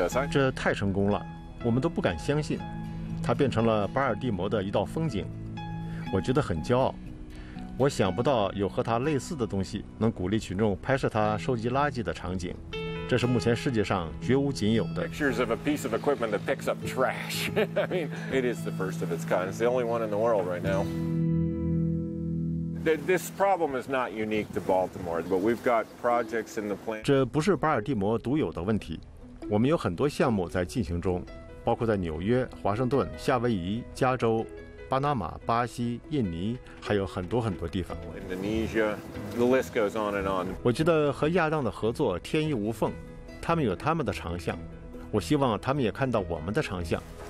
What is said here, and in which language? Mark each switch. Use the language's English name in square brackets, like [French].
[Chinese] 这太成功了，我们都不敢相信，它变成了巴尔的摩的一道风景。我觉得很骄傲，我想不到有和它类似的东西能鼓励群众拍摄它收集垃圾的场景。这是目前世界上绝无仅有的。 [English] Pictures of a piece of equipment that picks up trash. I mean, it is the first of its kind. It's the only one in the world right now. This problem is not unique to Baltimore, but we've got projects in the plan. [Chinese] 这不是巴尔的摩独有的问题，我们有很多项目在进行中，包括在纽约、华盛顿、夏威夷、加州、巴拿马、巴西、印尼，还有很多很多地方。 [English] Indonesia, the list goes on and on. [Chinese] 我觉得和亚当的合作天衣无缝，他们有他们的长项，我希望他们也看到我们的长项。